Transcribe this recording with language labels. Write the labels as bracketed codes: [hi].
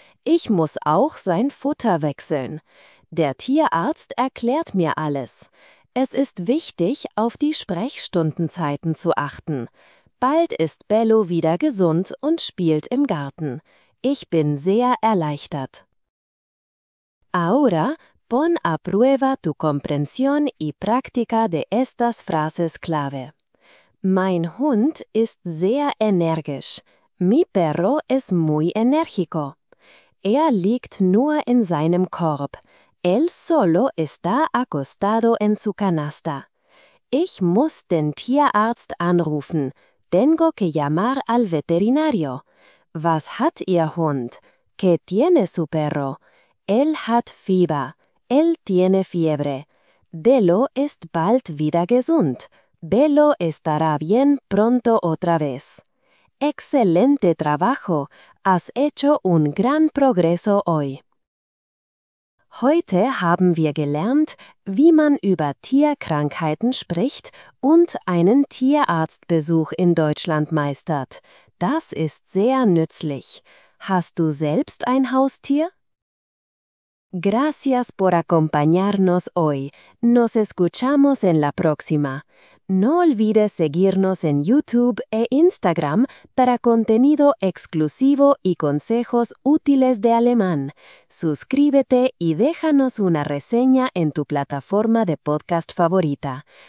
[de] Ich muss auch sein Futter wechseln. Der Tierarzt erklärt mir alles. Es ist wichtig, auf die Sprechstundenzeiten zu achten. Bald ist Bello wieder gesund und spielt im Garten. Ich bin sehr erleichtert. [es] Ahora pon a prueba tu comprensión y práctica de estas frases clave. [de] Mein Hund ist sehr energisch. [es] Mi perro es muy enérgico. [de] Er liegt nur in seinem Korb. [es] Él solo está acostado en su canasta. [de] Ich muss den Tierarzt anrufen. [es] Tengo que llamar al veterinario. [de] Was hat ihr Hund? [es] ¿Qué tiene su perro? Él [de] hat Fieber. [es] Él tiene fiebre. [de] Bello ist bald wieder gesund. [es] Bello estará bien pronto otra vez. ¡Excelente trabajo! Has hecho un gran progreso hoy. [de] Heute haben wir gelernt, wie man über Tierkrankheiten spricht und einen Tierarztbesuch in Deutschland meistert. Das ist sehr nützlich. Hast du selbst ein Haustier? [es] Gracias por acompañarnos hoy. Nos escuchamos en la próxima. No olvides seguirnos en YouTube e Instagram para contenido exclusivo y consejos útiles de alemán. Suscríbete y déjanos una reseña en tu plataforma de podcast favorita.